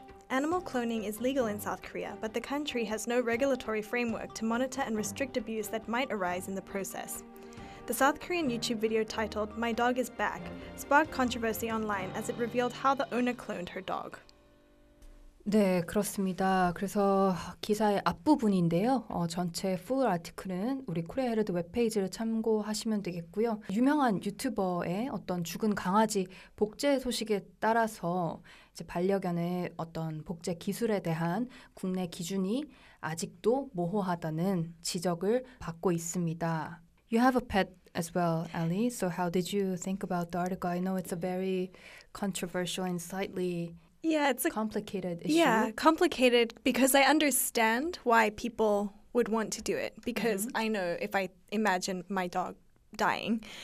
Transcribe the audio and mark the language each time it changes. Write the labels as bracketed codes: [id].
[en] Animal cloning is legal in South Korea, but the country has no regulatory framework to monitor and restrict abuse that might arise in the process. The South Korean YouTube video titled My Dog Is Back sparked controversy online as it revealed how the owner cloned her dog. [ko] 네, 그렇습니다. 그래서 기사의 앞부분인데요. 전체 풀 아티클은 우리 코리아 헤럴드 웹페이지를 참고하시면 되겠고요. 유명한 유튜버의 어떤 죽은 강아지 복제 소식에 따라서 이제 반려견의 어떤 복제 기술에 대한 국내 기준이 아직도 모호하다는 지적을 받고 있습니다. [en] You have a pet as well, Ali. So how did you think about the article? I know it's a very controversial and slightly... Yeah, it's a complicated issue. Yeah, complicated because I understand why people would want to do it because mm-hmm. I know if I imagine my dog dying.